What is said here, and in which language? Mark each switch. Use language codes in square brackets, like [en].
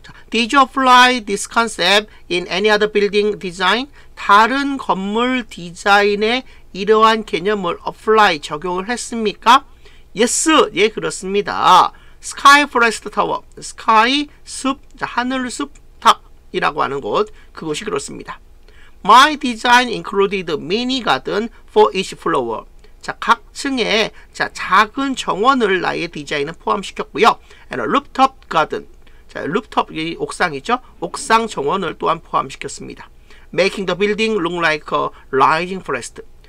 [en] Did you apply this concept in any other building design? [ko] 다른 건물 디자인에 이러한 개념을 apply, 적용을 했습니까? Yes, 예, 그렇습니다. Sky Forest Tower, Sky, 숲, 하늘 숲탑이라고 하는 곳, 그곳이 그렇습니다. [en] My design included mini garden for each floor. [ko] 자, 각 층에 자, 작은 정원을 나의 디자인은 포함시켰고요. [en] And a rooftop garden, 자, rooftop이 옥상이죠. [ko] 옥상 정원을 또한 포함시켰습니다. [en] Making the building look like a rising forest.